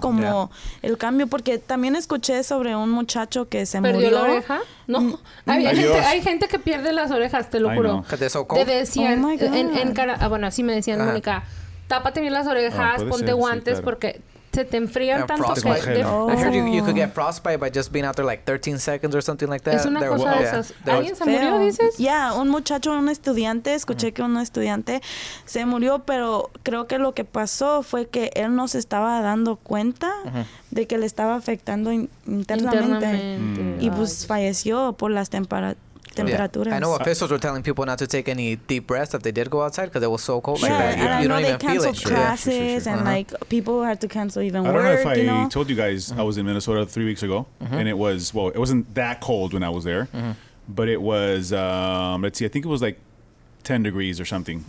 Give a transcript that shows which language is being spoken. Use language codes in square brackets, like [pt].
[es] como el cambio. Porque también escuché sobre un muchacho que se ¿perdió murió. ¿Perdió la oreja? No. Hay gente que pierde las orejas, te lo juro. Que te socó. Te decían. [en] Oh, my God. [es] Bueno, así me decían, Mónica, tápate bien las orejas, ponte guantes, porque se te enfrían tanto que. [en] I heard you could get frostbite by just being out there like 13 seconds or something like that. [es] Es una cosa de esas. ¿Alguien se murió, dices? Yeah, un muchacho, un estudiante, escuché que un estudiante se murió, pero creo que lo que pasó fue que él no se estaba dando cuenta de que le estaba afectando internamente. Y pues falleció por las temperaturas. [en] Yeah. I know officials were telling people not to take any deep breaths if they did go outside because it was so cold. Yeah, like, and you know, don't even feel it. Canceled classes and like people had to cancel even work. I don't know if I told you guys I was in Minnesota 3 weeks ago and it was, well, it wasn't that cold when I was there, but it was, let's see, I think it was like 10 degrees or something.